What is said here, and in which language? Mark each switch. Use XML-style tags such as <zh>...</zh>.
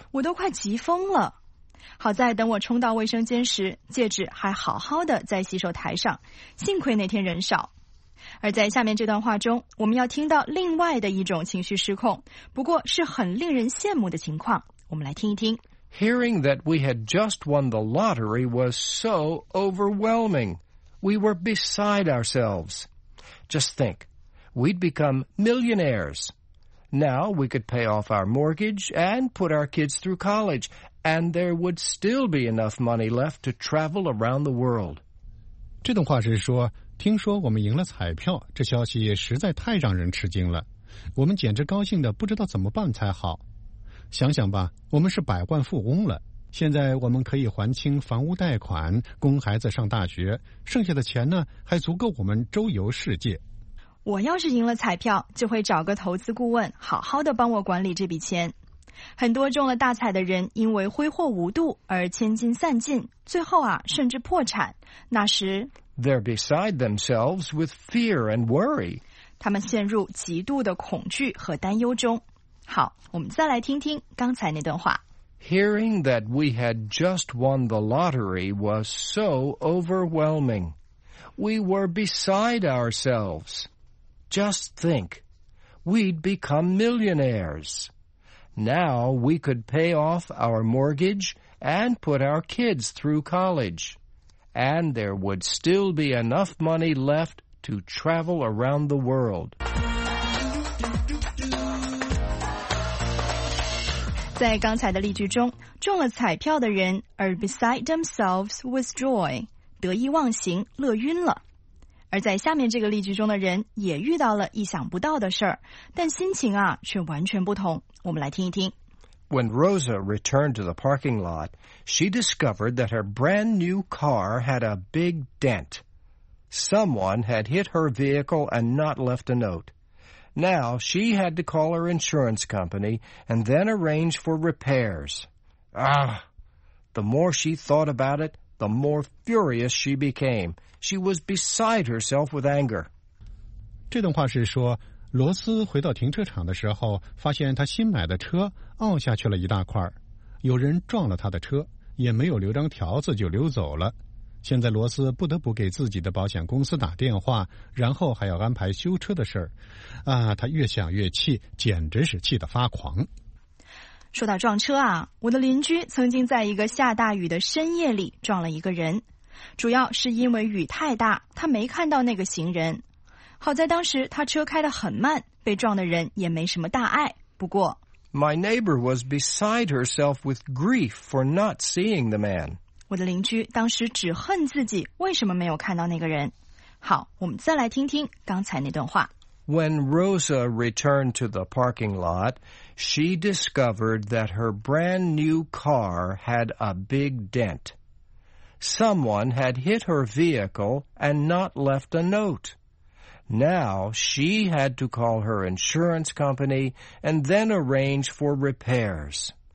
<zh>我都快急疯了好在等我冲到卫生间时戒指还好好的在洗手台上幸亏那天人少而在下面这段话中我们要听到另外的一种情绪失控不过是很令人羡慕的情况我们来听一听</zh> <en>Hearing that we had just won the lottery was so overwhelming We were beside ourselves Just thinkWe'd become millionaires. Now we could pay off our mortgage and put our kids through college, and there would still be enough money left to travel around the world.</en> <zh>这段话是说，听说我们赢了彩票，这消息实在太让人吃惊了。我们简直高兴得不知道怎么办才好。想想吧，我们是百万富翁了。现在我们可以还清房屋贷款，供孩子上大学，剩下的钱呢，还足够我们周游世界。我要是赢了彩票，就会找个投资顾问，好好的帮我管理这笔钱。很多中了大彩的人，因为挥霍无度而千金散尽，最后啊，甚至破产。那时</zh> <en>，They're beside themselves with fear and worry.</en> <zh>他们陷入极度的恐惧和担忧中。好，我们再来听听刚才那段话。</zh> <en>Hearing that we had just won the lottery was so overwhelming. We were beside ourselves. Just think, we'd become millionaires. Now we could pay off our mortgage and put our kids through college. And there would still be enough money left to travel around the world.</en> <zh>在刚才的例句中，中了彩票的人</zh> <en>are beside themselves with joy,</en> <zh>得意忘形，乐晕了。而在下面这个例句中的人也遇到了意想不到的事儿，但心情啊却完全不同。我们来听一听。</zh> <en>When Rosa returned to the parking lot, she discovered that her brand new car had a big dent. Someone had hit her vehicle and not left a note. Now she had to call her insurance company and then arrange for repairs. Ah! The more she thought about it, the more furious she became. She was beside herself with anger.</en> <zh>这段话是说罗斯回到停车场的时候，发现他新买的车凹下去了一大块，有人撞了他的车，也没有留张条子就溜走了。现在罗斯不得不给自己的保险公司打电话，然后还要安排修车的事儿。啊，他越想越气，简直是气得发狂。说到撞车啊，我的邻居曾经在一个下大雨的深夜里撞了一个人，主要是因为雨太大，他没看到那个行人。好在当时他车开得很慢，被撞的人也没什么大碍。不过</zh> <en>My neighbor was beside herself with grief for not seeing the man.</en> <zh>我的邻居当时只恨自己为什么没有看到那个人。好，我们再来听听刚才那段话。</zh> <en>When Rosa returned to the parking lot, she discovered that her brand new car had a big dent. Someone had hit her vehicle and not left a note. Now she had to call her insurance company and then arrange for repairs.</en>